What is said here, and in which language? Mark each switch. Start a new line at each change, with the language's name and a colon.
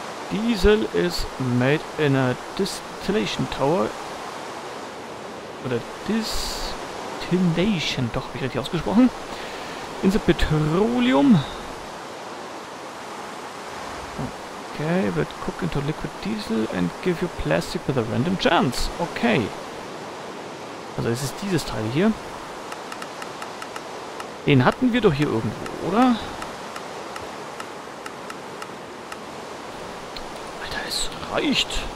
English: Diesel is made in a Distillation Tower.
German: Oder Distillation, doch, habe ich richtig ausgesprochen.
English: In the Petroleum. Okay, but cook into liquid diesel and give you plastic with a random chance. Okay.
German: Also es ist dieses Teil hier. Den hatten wir doch hier irgendwo, oder? Alter, es reicht.